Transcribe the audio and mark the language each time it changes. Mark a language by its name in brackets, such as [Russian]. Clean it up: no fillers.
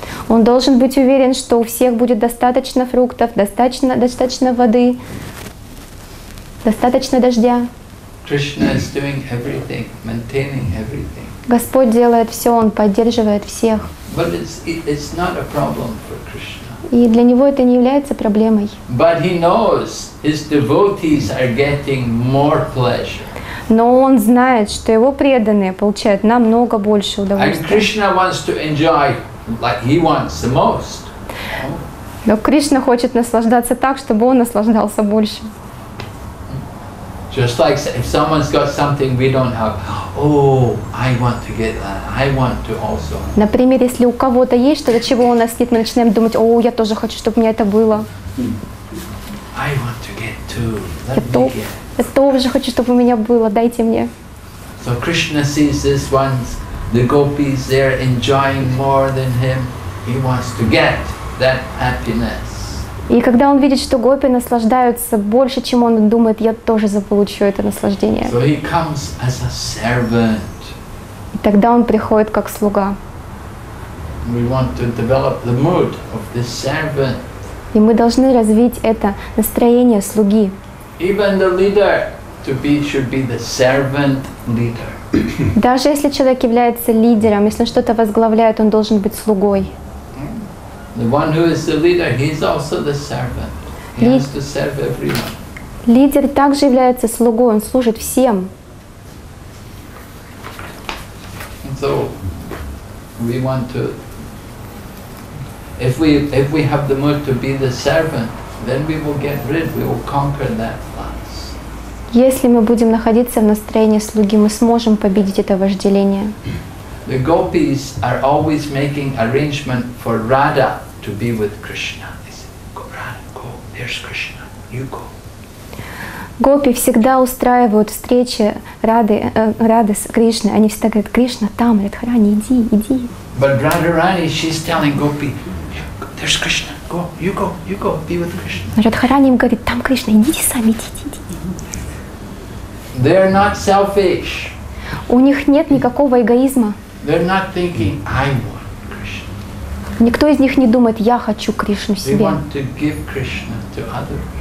[Russian] Он должен быть уверен, что у всех будет достаточно фруктов, достаточно воды, достаточно дождя. [English] Krishna is doing everything, maintaining everything. [Russian] Господь делает все, Он поддерживает всех. [English] But it's not a problem for Krishna. [Russian] И для Него это не является проблемой. [English] But He knows His devotees are getting more pleasure. [Russian] Но Он знает, что Его преданные получают намного больше удовольствия. [English] And Krishna wants to enjoy like He wants the most. [Russian] Но Кришна хочет наслаждаться так, чтобы Он наслаждался больше. [English] Just like if someone's got something we don't have, oh, I want to get that. I want to also. [Russian] Например, если у кого-то есть что-то, чего у нас нет, мы начинаем думать, о, я тоже хочу, чтобы у меня это было. [English] I want to get too. Let me get. [Russian] Я тоже хочу, чтобы у меня было. Дайте мне. [English] So Krishna sees this one's the gopis there enjoying more than him. He wants to get that happiness. [Russian] И когда он видит, что гопи наслаждаются больше, чем он думает, я тоже заполучу это наслаждение. [English] So he comes as a servant. [Russian] И тогда он приходит как слуга. [English] We want to develop the mood of the servant. [Russian] И мы должны развить это настроение слуги. [English] Even the leader to be should be the servant leader. [Russian] Даже если человек является лидером, если он что-то возглавляет, он должен быть слугой. [English] The one who is the leader, he is also the servant. He has to serve everyone. [Russian] Лидер также является слугой, он служит всем. [English] So we want to if we have the mood to be the servant, then we will get rid, we will conquer that lust. [Russian] Если мы будем находиться в настроении слуги, мы сможем победить это вожделение. [English] The gopis are always making arrangement for Radha. To be with Krishna. Go, Radha, go. There's Krishna. You go. [Russian] Гопи всегда устраивают встречи Рады с Кришной. Они всегда говорят, Кришна там, Радхарани, иди, иди. [English] But Radharani, she's telling Gopi, there's Krishna. Go, you go, you go, be with Krishna. [Russian] Радхарани им говорит, там Кришна, идите сами, идите, иди. [English] They're not selfish. [Russian] У них нет никакого эгоизма. [English] They're not thinking, I want. [Russian] Никто из них не думает, я хочу Кришну себе. [English] We want to give Krishna to others.